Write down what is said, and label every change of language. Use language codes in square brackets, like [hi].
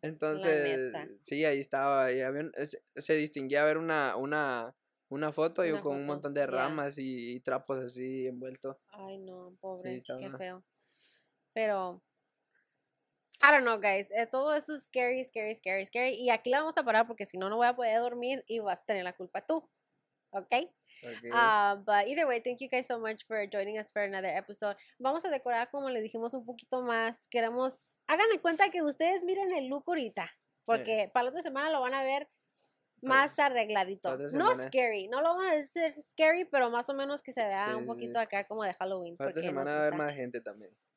[es] Entonces, sí, ahí estaba, y se distinguía a ver una foto y con un montón de ramas, yeah, y trapos así envuelto. Ay, no, pobre, sí, qué feo. Pero... [en] I don't know, guys. [es] Todo eso es scary, scary, scary, scary. Y aquí la vamos a parar porque si no, no voy a poder dormir y vas a tener la culpa tú. ¿Okay? [en] But either way, thank you guys so much for joining us for another episode. [es] Vamos a decorar, como les dijimos, un poquito más. Queremos... Háganme cuenta que ustedes miren el look ahorita. Porque para la otra semana lo van a ver más arregladito. No scary. No lo vamos a decir scary, pero más o menos que se vea un poquito acá como de Halloween. Para la otra semana va a haber más gente también.